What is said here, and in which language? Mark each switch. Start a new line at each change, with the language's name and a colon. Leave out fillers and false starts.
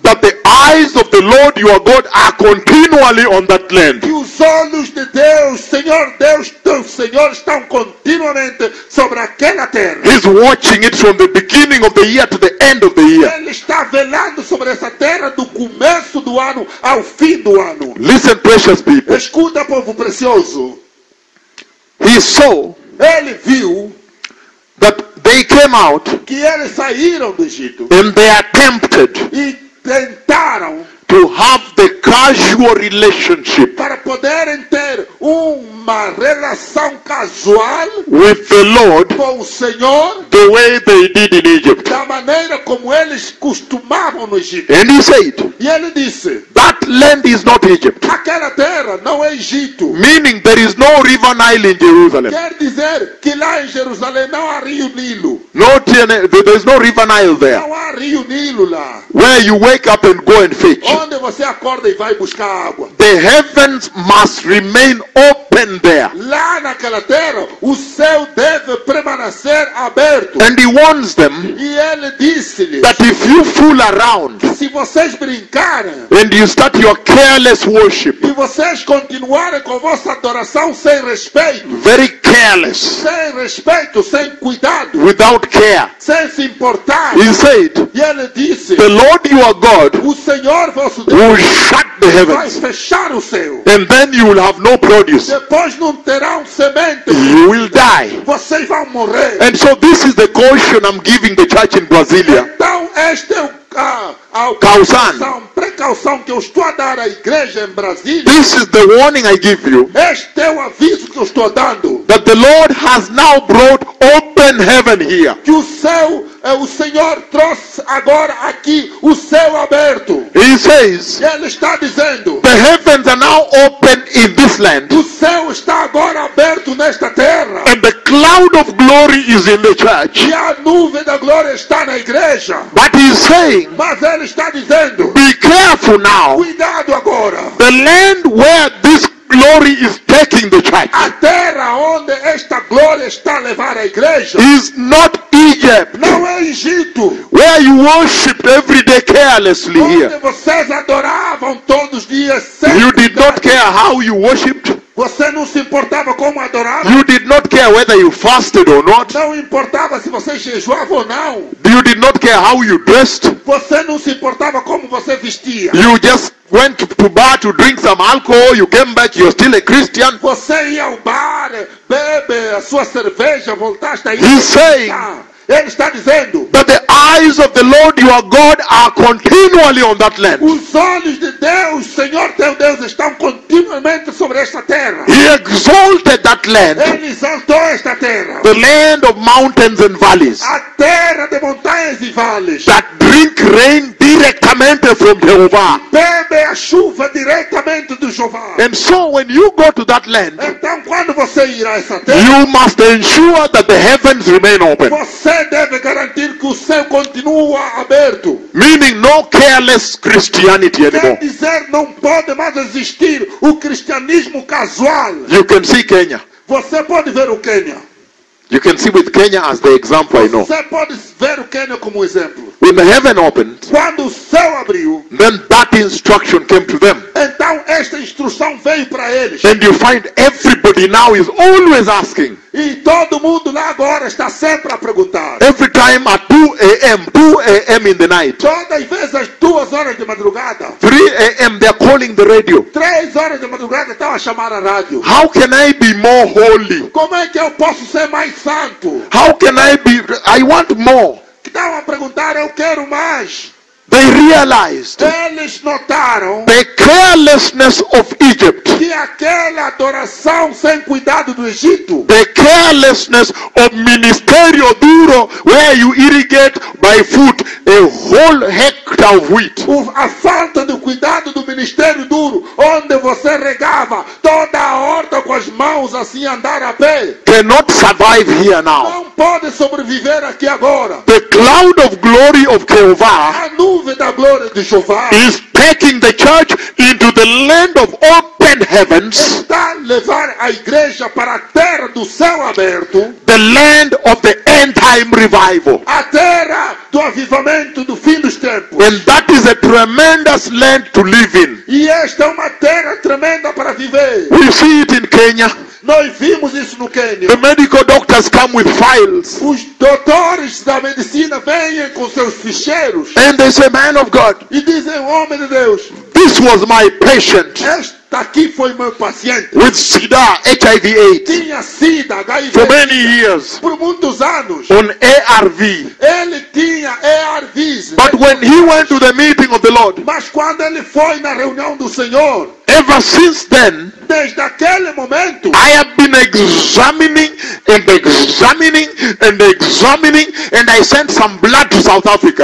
English: that the eyes of the Lord your God are continually on that land.
Portuguese: Que os olhos de Deus, Senhor Deus, teu Senhor, estão continuamente sobre aquela terra.
English: He's watching it from the beginning of the year to the end of the year.
Portuguese: Ele está velando sobre essa terra do começo do ano ao fim do ano.
English: Listen, precious people.
Portuguese: Escuta, povo precioso.
English: He saw,
Portuguese: ele viu,
English: that they came out,
Portuguese: que eles saíram do Egito,
English: and they attempted,
Portuguese: e tentaram,
English: to have the casual relationship,
Portuguese: para poderem ter uma relação casual,
English: with the Lord,
Portuguese: com o Senhor,
English: the way they did in Egypt,
Portuguese: da maneira como eles costumavam no Egito.
English: And he said,
Portuguese: e ele disse,
English: that land is not Egypt.
Portuguese: Aquela terra não é Egito.
English: Meaning there is no River Nile in Jerusalem.
Portuguese: Quer dizer que lá em Jerusalém não há Rio Nilo.
English: Not in, there is no River Nile there.
Portuguese: Não há Rio Nilo lá.
English: Where you wake up and go and fish.
Portuguese: Onde você acorda e vai buscar água.
English: The heavens must remain open there.
Portuguese: Lá naquela terra, o céu deve permanecer aberto.
English: And he warns them,
Portuguese: e ele disse-lhes,
English: that if you fool around,
Portuguese: se vocês brincarem,
English: and you start your careless worship,
Portuguese: e vocês continuarem com a vossa adoração sem respeito,
English: very careless,
Portuguese: sem respeito, sem cuidado,
English: without care,
Portuguese: sem se importar,
English: he said,
Portuguese: e ele disse,
English: the Lord your God,
Portuguese: o Senhor
English: will shut the heavens,
Portuguese: vai fechar o céu,
English: and then you will have no produce.
Portuguese: Depois não terão semente.
English: You will die.
Portuguese: Vocês vão morrer.
English: And so this is the caution I'm giving the church in Brasília.
Portuguese: Então esta é a precaução que eu estou a dar à igreja em Brasília.
English: This is the warning I give you.
Portuguese: Este é o aviso que eu estou dando.
English: That the Lord has now brought open heaven here.
Portuguese: Que o céu, o Senhor trouxe agora aqui o céu aberto.
English: He says,
Portuguese: ele está dizendo,
English: the heavens are now open in this land.
Portuguese: O céu está agora aberto nesta terra.
English: And the cloud of glory is in the church.
Portuguese: E a nuvem da glória está na igreja.
English: But he's saying,
Portuguese: mas ele está dizendo,
English: be careful now.
Portuguese: Cuidado agora.
English: The land where this glory is taking the church,
Portuguese: a terra onde esta glória está a levar a igreja,
English: is not Egypt.
Portuguese: Não é Egito.
English: Where you worship every day carelessly,
Portuguese: onde
English: here,
Portuguese: vocês adoravam todos os dias sem,
English: you did not care how you worshipped.
Portuguese: Você não se importava como adorava.
English: You did not care whether you fasted or not.
Portuguese: Não importava se você jejuava ou não.
English: You did not care how you dressed.
Portuguese: Você não se importava como você vestia.
English: You just went to bar to drink some alcohol. You came back, you're still a Christian.
Portuguese: Você ia ao bar, bebe a sua cerveja, voltaste aí.
English: He's saying,
Portuguese: ele está dizendo,
English: that the eyes of the Lord your God are continually on that land.
Portuguese: Os olhos de Deus, Senhor teu Deus, estão continuamente sobre esta terra.
English: He exalted that land.
Portuguese: Ele exaltou esta terra.
English: The land of mountains and valleys.
Portuguese: A terra de montanhas e vales.
English: That drink rain directamente from Jehovah.
Portuguese: Bebe a chuva diretamente do Jeová.
English: And so when you go to that land,
Portuguese: então quando você irá a essa terra,
English: you must ensure that the heavens remain open.
Portuguese: Você deve garantir que o céu continua aberto.
English: Meaning no careless Christianity anymore.
Portuguese: Quer dizer, não pode mais existir o cristianismo casual.
English: You can see Kenya.
Portuguese: Você pode ver o Quênia.
English: You can see with Kenya as the example I know.
Portuguese: Você pode ver o Quênia como exemplo.
English: When the heaven opened,
Portuguese: quando o céu abriu,
English: then that instruction came to them.
Portuguese: Então esta instrução veio para eles.
English: And you find everybody now is always asking.
Portuguese: E todo mundo lá agora está sempre a perguntar.
English: Every time at 2 a.m. in the night.
Portuguese: Toda vez às 2 horas de madrugada.
English: 3 a.m. they are calling the radio.
Portuguese: 3 horas de madrugada estão a chamar a rádio.
English: How can I be more holy?
Portuguese: Como é que eu posso ser mais santo?
English: How can I be? I want more.
Portuguese: Estão a perguntar, eu quero mais.
English: They realized
Portuguese: eles notaram
English: the carelessness of Egypt,
Portuguese: que aquela adoração sem cuidado do Egito,
English: the carelessness of
Portuguese: ministério duro,
English: where you irrigate by foot a whole hectare of wheat,
Portuguese: a falta de cuidado do ministério duro, onde você regava toda a horta com as mãos assim andar a pé,
English: cannot survive here now.
Portuguese: Não pode sobreviver aqui agora.
English: The cloud of glory of Jehovah, is taking the church into the land of open heavens,
Portuguese: está levar a igreja para a terra do céu aberto,
English: the land of the end time revival,
Portuguese: a terra do avivamento do fim dos tempos,
English: and that is a tremendous land to live in.
Portuguese: E esta é uma terra tremenda para viver.
English: We see it in Kenya.
Portuguese: Nós vimos isso no Quênia.
English: The medical doctors come with files.
Portuguese: Os doutores da medicina vêm com seus ficheiros.
English: And they say, man of God,
Portuguese: e dizem, homem de Deus,
English: this was my patient.
Portuguese: Este aqui foi meu paciente.
English: With SIDA, HIV/AIDS.
Portuguese: Tinha SIDA, HIV.
English: For many years.
Portuguese: Por muitos anos.
English: On ARV.
Portuguese: Ele tinha ARVs.
English: But when he went to the meeting of the Lord.
Portuguese: Mas quando ele foi na reunião do Senhor.
English: Ever since then,
Portuguese: desde aquele momento,
English: I have been examining and examining and examining, and I sent some blood to South Africa.